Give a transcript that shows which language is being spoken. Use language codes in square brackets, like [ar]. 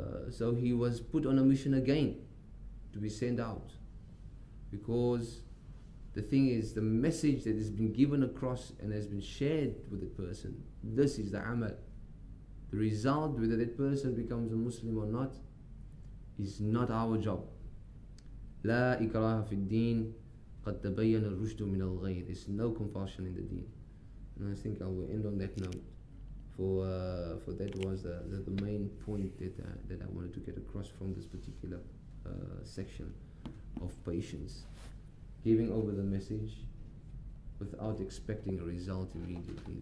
[en] So he was put on a mission again to be sent out, because the thing is, the message that has been given across and has been shared with the person, this is the amal. The result, whether that person becomes a Muslim or not, is not our job. [ar] لا إكراه في الدين قد تبين الرشد من الغي. [en] There's no compulsion in the deen. And I think I will end on that note. For that was the main point that I wanted to get across from this particular section of patience, giving over the message without expecting a result immediately.